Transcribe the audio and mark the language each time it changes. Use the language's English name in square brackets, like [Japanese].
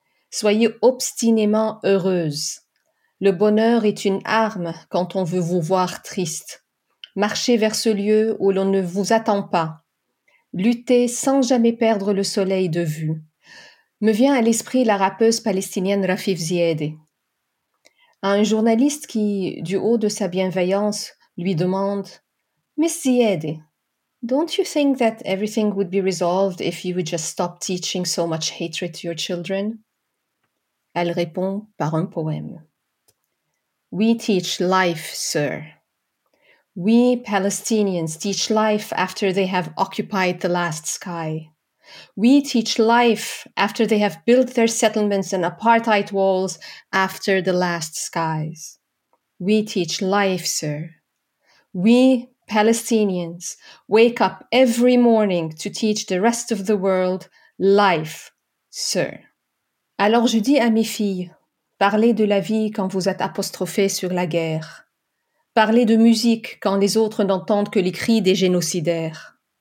[French] Soyez obstinément heureuses. Le bonheur est une arme quand on veut vous voir triste. Marchez vers ce lieu où l'on ne vous attend pas. Luttez sans jamais perdre le soleil de vue. Me vient à l'esprit la rappeuse palestinienne Rafif Ziyadeh. À un journaliste qui, du haut de sa bienveillance, lui demande [English] « Miss Ziyadeh, don't you think that everything would be resolved if you would just stop teaching so much hatred to your children ?» [French] Elle répond par un poème. [English] « We teach life, sir. We Palestinians teach life after they have occupied the last sky. We teach life after they have built their settlements and apartheid walls after the last skies. We teach life, sir. We Palestinians wake up every morning to teach the rest of the world life, sir. [French] » Alors je dis à mes filles, parlez de la vie quand vous êtes apostrophées sur la guerre. Parlez de musique quand les autres n'entendent que les cris des génocidaires.